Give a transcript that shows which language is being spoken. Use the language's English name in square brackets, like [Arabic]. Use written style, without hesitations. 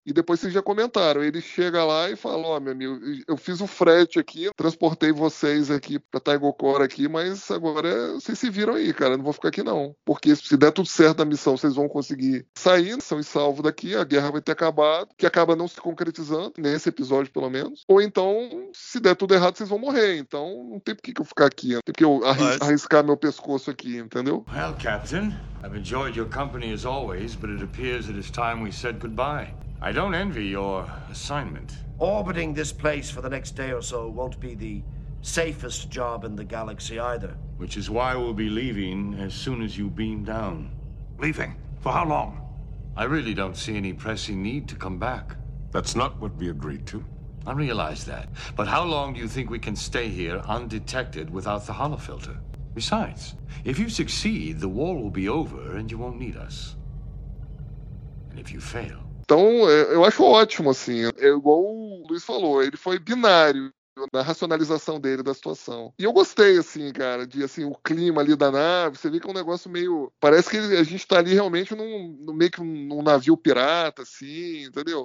[Portuguese] E depois vocês já comentaram. Ele chega lá e fala, ó, meu amigo, eu fiz o frete aqui, transportei vocês aqui pra Taigokor aqui, mas agora vocês se viram aí, cara. Não vou ficar aqui, não. Porque se der tudo certo na missão, vocês vão conseguir sair, são e salvo daqui, a guerra vai ter acabado, que acaba não se concretizando, nesse episódio, pelo menos. Ou então, se der tudo errado, vocês vão morrer. Então, não tem por que eu ficar aqui. Não tem por que eu arriscar meu pescoço aqui, entendeu? [English] Well, Captain, I've enjoyed your company as always, but it appears it is time we said goodbye. I don't envy your assignment. Orbiting this place for the next day or so won't be the safest job in the galaxy either. Which is why we'll be leaving as soon as you beam down. Leaving? For how long? I really don't see any pressing need to come back. That's not what we agreed to. I realize that. But how long do you think we can stay here undetected without the holofilter? Besides, if you succeed, the war will be over and you won't need us. And if you fail. [Portuguese] Então, eu acho ótimo, assim. É igual o Luiz falou, ele foi binário na racionalização dele da situação. E eu gostei, assim, cara, de, assim, o clima ali da nave. Você vê que é um negócio meio... Parece que a gente tá ali realmente num navio pirata, assim, entendeu?